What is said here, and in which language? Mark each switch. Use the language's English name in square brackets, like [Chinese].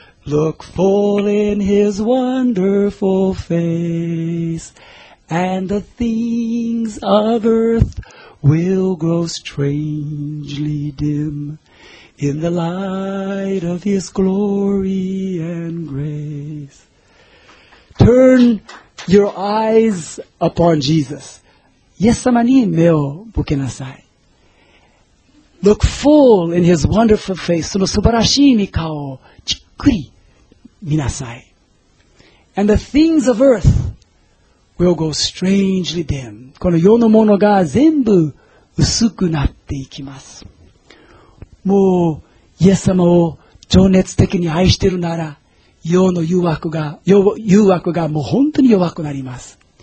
[English] Look full in His wonderful face. And the things of earth will grow strangely dim. In the light of His glory and grace. Turn your eyes upon Jesus. [Japanese] イエス様に目を向けなさい。 [English] Look full in His wonderful face. [Japanese] その素晴らしい御顔をじっくり見なさい。 [English] And the things of earth will go strangely dim. [Japanese] この世のものが全部薄くなっていきます。もうイエス様を情熱的に愛しているなら、世の誘惑がもう本当に弱くなります。